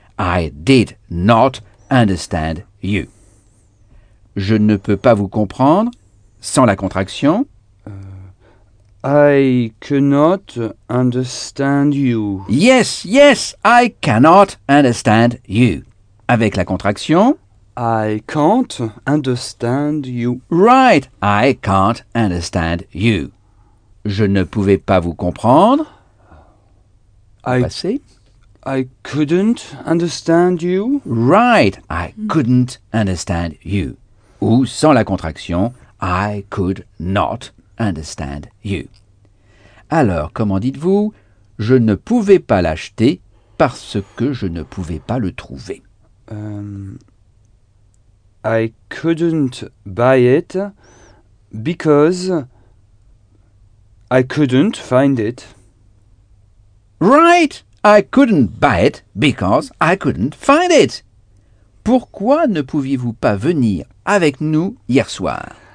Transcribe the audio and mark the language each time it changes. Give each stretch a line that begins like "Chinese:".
English: I did not understand you.
French: Je ne peux pas vous comprendre sans la contraction.
English: I cannot understand you. Yes. Yes. I cannot understand you.
French: Avec la contraction.
English: I can't understand you. Right, I can't understand you.
French: Je ne pouvais pas vous comprendre.
English: I couldn't understand you. Right, I couldn't understand you.
French: Ou sans la contraction,
English: I could not understand you.
French: Alors, comment dites-vous? Je ne pouvais pas l'acheter parce que je ne pouvais pas le trouver.
English: I couldn't buy it because I couldn't find it. Right! I couldn't buy it because I couldn't find it.
French: Pourquoi ne pouviez-vous pas venir avec nous hier soir?